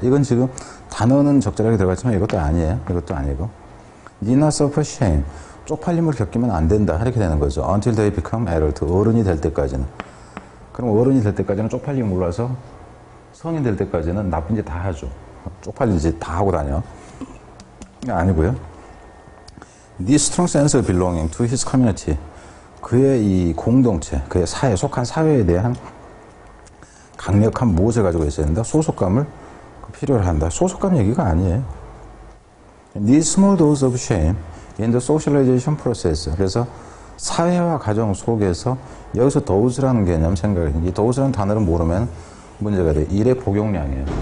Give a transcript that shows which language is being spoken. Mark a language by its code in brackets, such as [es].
[ko] 이건 지금 단어는 적절하게 들어갔지만 이것도 아니에요. 이것도 아니고. [en] Need not suffer shame. [ko] 쪽팔림을 겪으면 안 된다. 이렇게 되는 거죠. [en] Until they become adult. [ko] 어른이 될 때까지는. 그럼 어른이 될 때까지는 쪽팔림 몰라서 성인 될 때까지는 나쁜 짓 다 하죠. 쪽팔린 짓 다 하고 다녀. 아니고요. [en] The strong sense of belonging to his community. [ko] 그의 이 공동체, 그의 사회, 속한 사회에 대한 강력한 무엇을 가지고 있어야 된다? 소속감을 필요로 한다. 소속감 얘기가 아니에요. [en] The small dose of shame. In the socialization process. [ko] 그래서 사회화 과정 속에서 여기서 도우즈라는 개념 생각을 해요. 이 도우즈라는 단어를 모르면 문제가 돼요. 일의 복용량이에요.